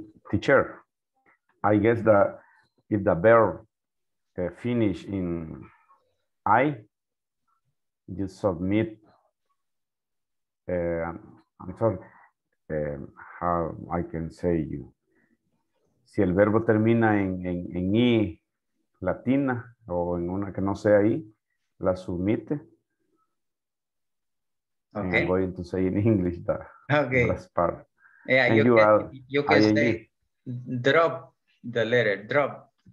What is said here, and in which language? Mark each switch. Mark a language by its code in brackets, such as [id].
[en] Teacher, I guess that if the verb finish in I, you submit, how I can say you. [es] Si el verbo termina en I latina o en una que no sea I, la submite. [en] Okay. I'm going to say in English that last part. Yeah, and you can say drop the letter, drop.